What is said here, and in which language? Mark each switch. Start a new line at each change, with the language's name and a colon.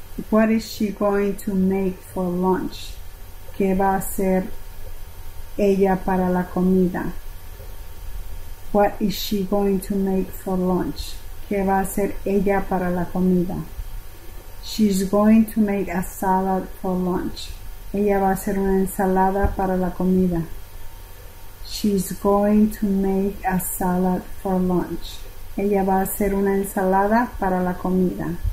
English: What is she going to make for lunch?
Spanish: ¿Qué va a hacer ella para la comida?
English: What is she going to make for lunch?
Spanish: ¿Qué va a hacer ella para la comida?
English: She's going to make a salad for lunch.
Spanish: Ella va a hacer una ensalada para la comida.
English: She's going to make a salad for lunch.
Spanish: Ella va a hacer una ensalada para la comida.